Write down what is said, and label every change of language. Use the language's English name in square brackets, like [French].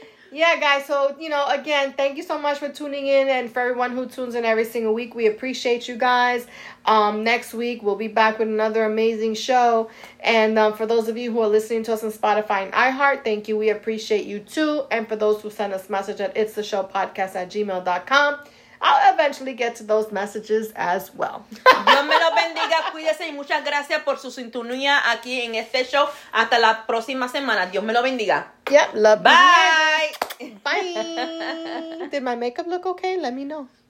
[English] Yeah, guys, so, you know, again, thank you so much for tuning in, and for everyone who tunes in every single week, we appreciate you guys. Next week, we'll be back with another amazing show, and for those of you who are listening to us on Spotify and iHeart, thank you, we appreciate you too, and for those who send us message at itstheshowpodcast@gmail.com, I'll eventually get to those messages as well. [Spanish] Dios me lo bendiga, cuídese, y muchas gracias por su sintonía aquí en este show. Hasta la próxima semana. Dios me lo bendiga. [English] Yep, love. Bye. Bye. Bye. Did my makeup look okay? Let me know.